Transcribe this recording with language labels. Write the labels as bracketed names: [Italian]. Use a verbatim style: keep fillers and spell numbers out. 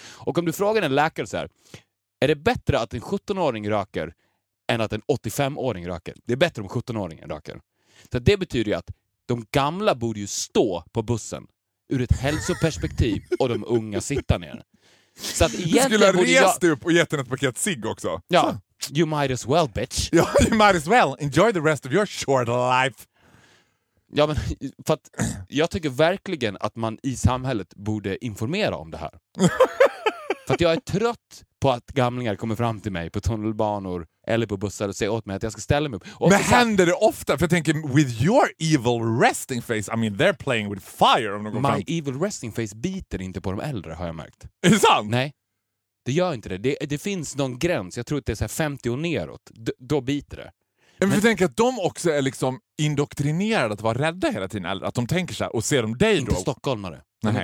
[Swedish] Och om du frågar en läkare så här, är det bättre att en sjutton-åring röker än att en åttiofem-åring röker? Det är bättre om sjutton-åringen röker. Så det betyder ju att de gamla borde ju stå på bussen ur ett hälsoperspektiv och de unga sitta ner. Så att egentligen du skulle ha borde rest jag... upp och gett en ett paket cigg också. [English] Ja, you might as well, bitch. Ja, you might as well. Enjoy the rest of your short life. [Swedish] Ja, men för att jag tycker verkligen att man i samhället borde informera om det här. För att jag är trött på att gamlingar kommer fram till mig på tunnelbanor eller på bussar och säger åt mig att jag ska ställa mig upp. Och men händer det ofta? För jag tänker, [English] with your evil resting face, I mean they're playing with fire. [Swedish] Om de går [English] my [Swedish] fram. Evil resting face biter inte på de äldre, har jag märkt. Är det sant? Nej, det gör inte det. Det, det finns någon gräns. Jag tror att det är så här femtio och neråt. D- då biter det. Men, men jag tänker att de också är liksom indoktrinerade att vara rädda hela tiden. Eller att de tänker så här, och ser de dig inte då? Stockholmare. De,